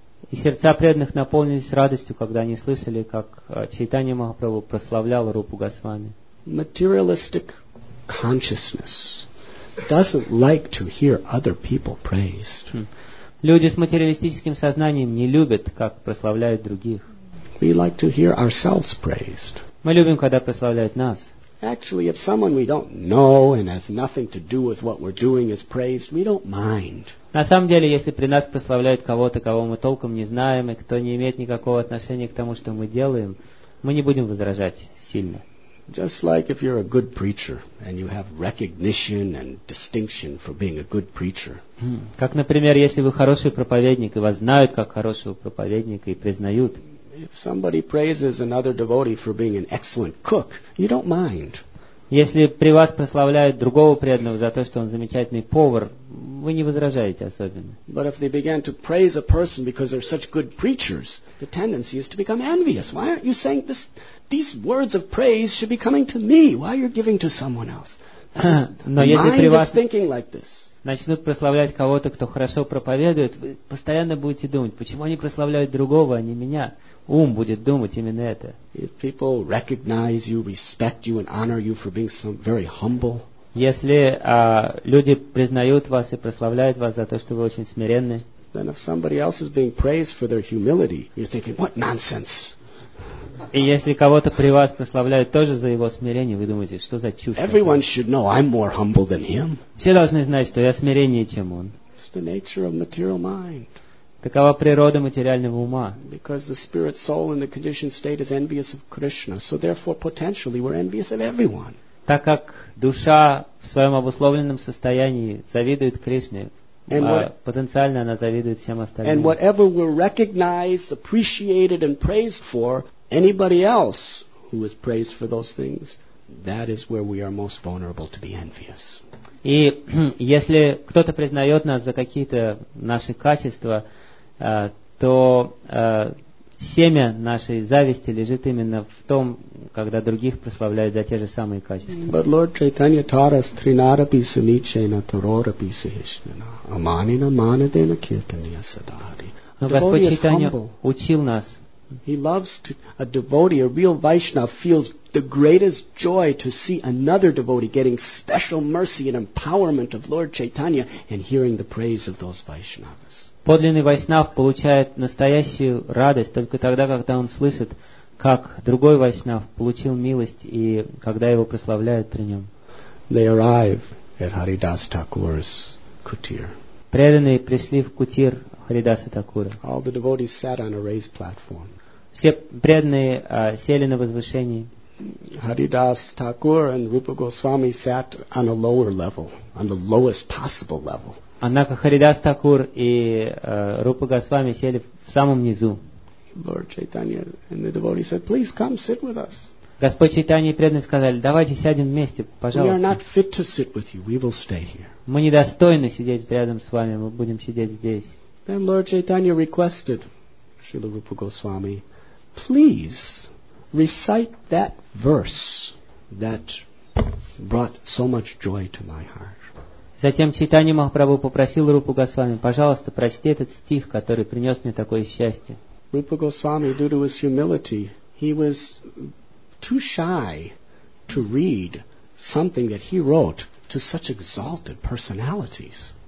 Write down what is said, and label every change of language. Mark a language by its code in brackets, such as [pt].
[ru] И сердца преданных наполнились радостью, когда они слышали, как Чайтанья Махапрабху прославлял Рупу Госвами. [en] Materialistic consciousness doesn't like to hear other people praised. [ru] Люди с материалистическим сознанием не любят, как прославляют других. [en] We like to hear ourselves praised. [ru] Мы любим, когда прославляют нас. [en] Actually, if someone we don't know and has nothing to do with what we're doing is praised, we don't mind. [ru] На самом деле, если при нас прославляют кого-то, кого мы толком не знаем, и кто не имеет никакого отношения к тому, что мы делаем, мы не будем возражать сильно. [en] Just like if you're a good preacher and you have recognition and distinction for being a good preacher. [ru] Как, например, если вы хороший проповедник, и вас знают как хорошего проповедника и признают. [en] If somebody praises another devotee for being an excellent cook, you don't mind. [ru] Если при вас прославляют другого преданного за то, что он замечательный повар, вы не возражаете особенно. [en] But if they began to praise a person because they're such good preachers, the tendency is to become envious. Why aren't you saying this? These words of praise should be coming to me. Why are you giving to someone else? [ru] Но если при вас [en] thinking like this. [ru] Начнут прославлять кого-то, кто хорошо проповедует, вы постоянно будете думать, почему они прославляют другого, а не меня. Ум будет думать именно это. [en] If people recognize you, respect you, and honor you for being some very humble. [ru] Если люди признают вас и прославляют вас за то, что вы очень смиренны. [en] Then if somebody else is being praised for their humility, you're thinking, what nonsense. [ru] И если кого-то при вас прославляют тоже за его смирение, вы думаете, что за чушь? [en] Everyone should know I'm more humble than him. [ru] Все должны знать, что я смиреннее, чем он. [en] It's the nature of material mind. [ru] Такова природа материального ума. [en] Because the spirit soul in the conditioned state is envious of Krishna, so therefore potentially we're envious of everyone. [ru] Так как душа в своем обусловленном состоянии завидует Кришне, потенциально она завидует всем остальным. [en] And whatever we're recognized, appreciated, and praised for. Anybody else who is praised for those things, that is where we are most vulnerable to be envious. [ru] И если кто-то признает нас за какие-то наши качества, то семя нашей зависти лежит именно в том, когда других прославляют за те же самые качества. [en] But Lord Chaitanya taught us [sa] trinarapi sunichena tarorapi sahishnana amanina manadena kirtaniya sadhari. [ru] Но Господь Чайтанья учил нас. [en] He loves to, a devotee, a real Vaishnava feels the greatest joy to see another devotee getting special mercy and empowerment of Lord Chaitanya and hearing the praise of those Vaishnavas. [ru] Подлинный Вайшнав получает настоящую радость только тогда, когда он слышит, как другой Вайшнав получил милость и когда его прославляют при нем. [en] They arrive at Haridas Thakur's kutir. [ru] Преданные пришли в кутир Харидаса Такура. [en] All the devotees sat on a raised platform. [ru] Все преданные сели на возвышении. [en] Haridas Thakur and Rupa Goswami sat on a lower level, on the lowest possible level. [ru] Однако Харидас Такур и Рупа Госвами сели в самом низу. [en] Lord Chaitanya and the devotees said, "Please come sit with us." [ru] Господь Чайтанья и преданные сказали, давайте сядем вместе, пожалуйста. [en] We are not fit to sit with you. We will stay here. [ru] Мы недостойны сидеть рядом с вами, мы будем сидеть здесь. [en] Then Lord Chaitanya requested Srila Rupa Goswami, please recite that verse that brought so much joy to my heart. [ru] Затем Чайтанья Махапрабху попросил Рупу Госвами, пожалуйста, прочти этот стих, который принес мне такое счастье. [en] Rupa Goswami, due to his humility, he was too shy to read something that he wrote to such exalted personalities.